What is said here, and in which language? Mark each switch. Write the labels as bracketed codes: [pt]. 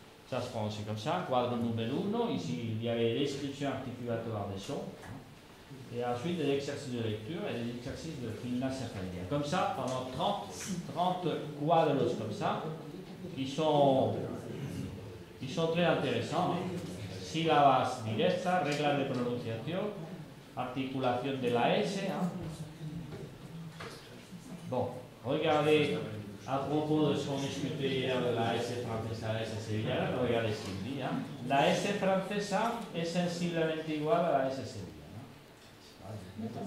[fr] Ça se prononce comme ça, quadro numéro 1. Ici, il y avait l'inscription articulatoire des sons. Et ensuite, des exercices de lecture et des exercices de finlassertalien. Comme ça, pendant 30 quadros comme ça, qui sont très intéressants. [es] Syllabas directa, regla de pronunciación, articulación de la S. [fr] Hein. Bon, regardez. À propos de ce qu'on discutait hier de la S française à la S sévillane, regardez ce qu'il dit. Hein. La S française est sensiblement égale à la S sévillane. Hein.